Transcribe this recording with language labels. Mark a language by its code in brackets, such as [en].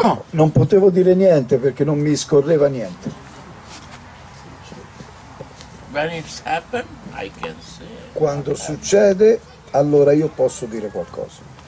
[it] Non potevo dire niente perché non mi scorreva niente. [en] When it's happened, I can say. [it] Quando succede, allora io posso dire qualcosa.